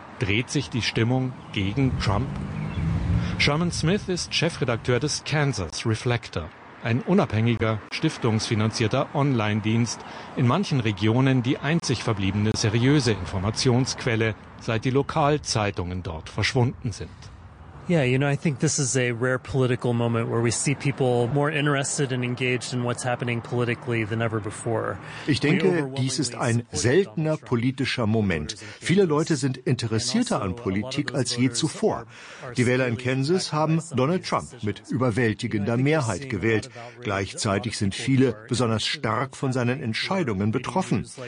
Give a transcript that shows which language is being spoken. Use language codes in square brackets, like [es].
[de] Dreht sich die Stimmung gegen Trump? Sherman Smith ist Chefredakteur des Kansas Reflector, ein unabhängiger, stiftungsfinanzierter Online-Dienst, in manchen Regionen die einzig verbliebene seriöse Informationsquelle, seit die Lokalzeitungen dort verschwunden sind. [en] Yeah, you know, I think this is a rare political moment where we see people more interested and engaged in what's happening politically than ever before. [de] Ich denke, dies ist ein seltener politischer Moment. Viele Leute sind interessierter an Politik als je zuvor. Die Wähler in Kansas haben Donald Trump mit überwältigender Mehrheit gewählt. Gleichzeitig sind viele besonders stark von seinen Entscheidungen betroffen.